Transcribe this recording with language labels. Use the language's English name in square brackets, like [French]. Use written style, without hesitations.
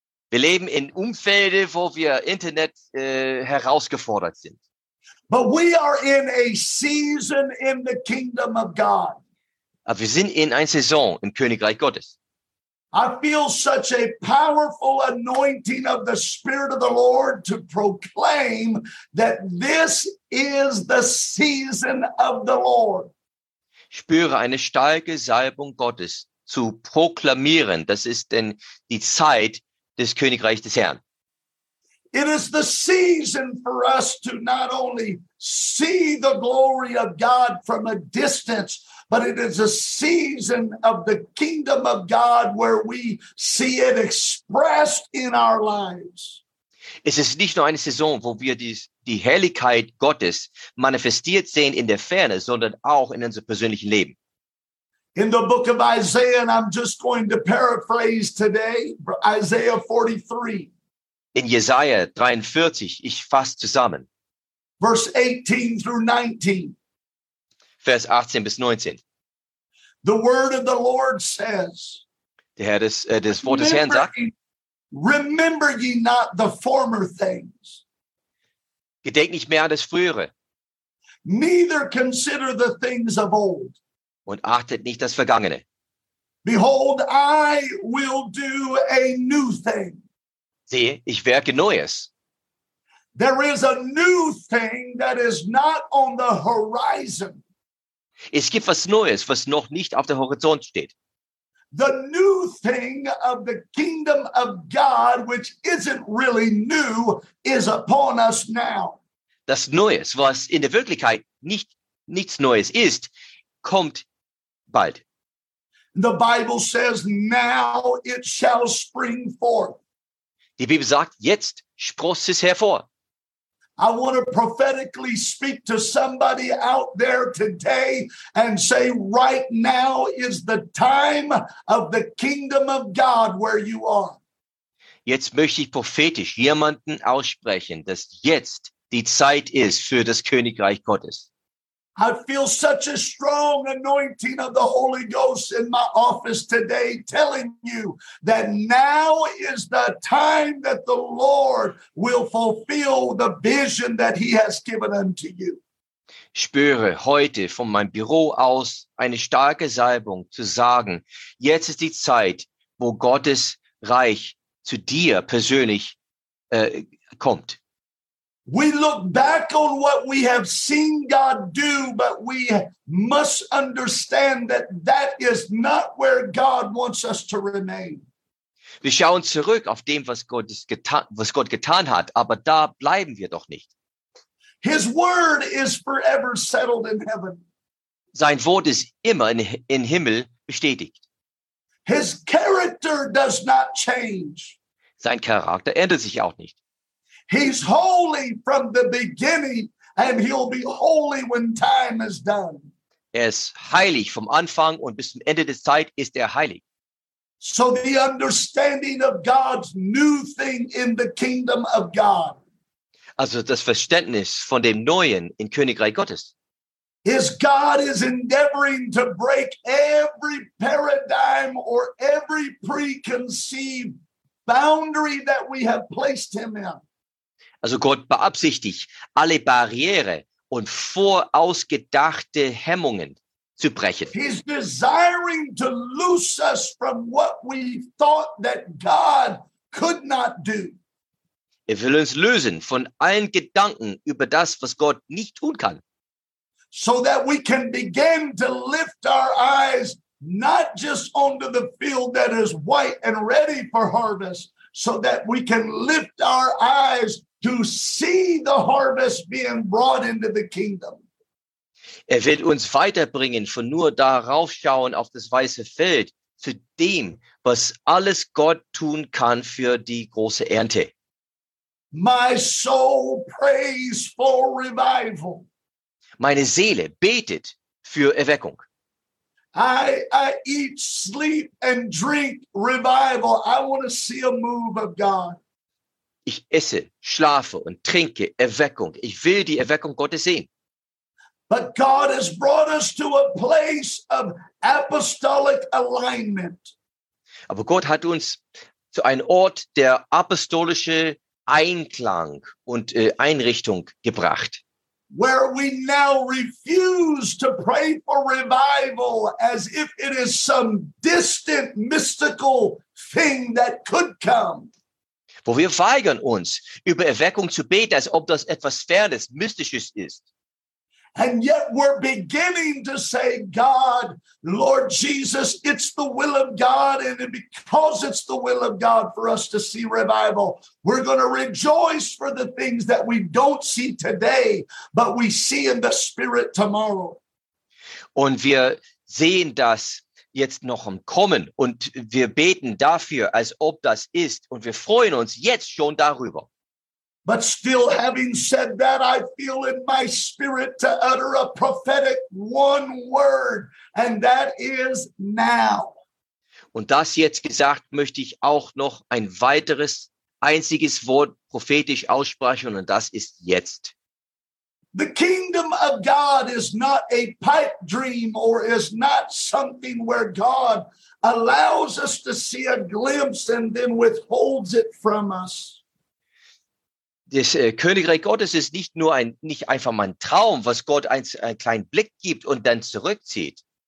[German] Wir leben in Umfelden, wo wir Internet herausgefordert sind. [English] But we are in a season in the kingdom of God. [German] Aber wir sind in einer Saison im Königreich Gottes. [English] I feel such a powerful anointing of the Spirit of the Lord to proclaim that this is the season of the Lord. [German] Spüre eine starke Salbung Gottes zu proklamieren. Das ist denn die Zeit des Königreichs des Herrn. [English] It is the season for us to not only see the glory of God from a distance, but it is a season of the kingdom of God where we see it expressed in our lives. [German] Es ist nicht nur eine Saison, wo wir die Herrlichkeit Gottes manifestiert sehen in der Ferne, sondern auch in unserem persönlichen Leben. [English] In the book of Isaiah, and I'm just going to paraphrase today, Isaiah 43. [German] In Jesaja 43, ich fasse zusammen. [English] Verse 18 through 19. [German] Vers 18 bis 19. [English] The word of the Lord says, [German] der Herr des Wortes Herrn sagt, [English] remember ye not the former things. [German] Gedenk nicht mehr an das Frühere. [English] Neither consider the things of old. [German] Und achtet nicht das Vergangene. [English] Behold, I will do a new thing. [German] Sehe, ich werke Neues. [English] There is a new thing that is not on the horizon. [German] Es gibt was Neues, was noch nicht auf dem Horizont steht. [English] The new thing of the kingdom of God, which isn't really new, is upon us now. [German] Das Neues, was in der Wirklichkeit nichts Neues ist, kommt bald. [English] The Bible says, now it shall spring forth. [German] Die Bibel sagt, jetzt sproßt es hervor. [English] I want to prophetically speak to somebody out there today and say, right now is the time of the kingdom of God where you are. [German] Jetzt möchte ich prophetisch jemanden aussprechen, dass jetzt die Zeit ist für das Königreich Gottes. [English] I feel such a strong anointing of the Holy Ghost in my office today telling you that now is the time that the Lord will fulfill the vision that he has given unto you. [German] Spüre heute von meinem Büro aus eine starke Salbung zu sagen, jetzt ist die Zeit, wo Gottes Reich zu dir persönlich kommt. [English] We look back on what we have seen God do, but we must understand that that is not where God wants us to remain. [German] Wir schauen zurück auf dem, was Gott getan hat, aber da bleiben wir doch nicht. [English] His word is forever settled in heaven. [German] Sein Wort ist immer in Himmel bestätigt. [English] His character does not change. [German] Sein Charakter ändert sich auch nicht. [English] He's holy from the beginning, and he'll be holy when time is done. [German] Er ist heilig vom Anfang und bis zum Ende der Zeit ist er heilig. [English] So the understanding of God's new thing in the kingdom of God. [German] Also das Verständnis von dem Neuen in Königreich Gottes. [English] Is God is endeavoring to break every paradigm or every preconceived boundary that we have placed him in. [German] Also Gott beabsichtigt, alle Barriere und vorausgedachte Hemmungen zu brechen. [English] He's desiring to loose us from what we thought that God could not do. [German] Er will uns lösen von allen Gedanken über das, was Gott nicht tun kann. [English] So that we can begin to lift our eyes not just onto the field that is white and ready for harvest, so that we can lift our eyes to see the harvest being brought into the kingdom. [German] Er wird uns weiterbringen von nur darauf schauen auf das weiße Feld zu dem, was alles Gott tun kann für die große Ernte. [English] My soul prays for revival. [German] Meine Seele betet für Erweckung. [English] I eat, sleep and drink revival. I want to see a move of God. [German] Ich esse, schlafe und trinke Erweckung. Ich will die Erweckung Gottes sehen. [English] But God has brought us to a place of apostolic alignment. [German] Aber Gott hat uns zu einem Ort der apostolischen Einklang und Einrichtung gebracht. [English] Where we now refuse to pray for revival as if it is some distant mystical thing that could come. [German] Wo wir weigern uns, über Erweckung zu beten, als ob das etwas Fernes, Mystisches ist. [English] And yet we're beginning to say, God, Lord Jesus, it's the will of God. And because it's the will of God for us to see revival, we're going to rejoice for the things that we don't see today, but we see in the spirit tomorrow. [German] Und wir sehen das jetzt noch im Kommen und wir beten dafür, als ob das ist, und wir freuen uns jetzt schon darüber. [English] But still, having said that, I feel in my spirit to utter a prophetic one word, and that is now. [German] Und das jetzt gesagt, möchte ich auch noch ein weiteres einziges Wort prophetisch aussprechen, und das ist jetzt. [English] The kingdom of God is not a pipe dream or is not something where God allows us to see a glimpse and then withholds it from us. [German] Das Königreich Gottes ist nicht nur ein, nicht einfach mal ein Traum, was Gott einen kleinen Blick gibt und dann zurückzieht.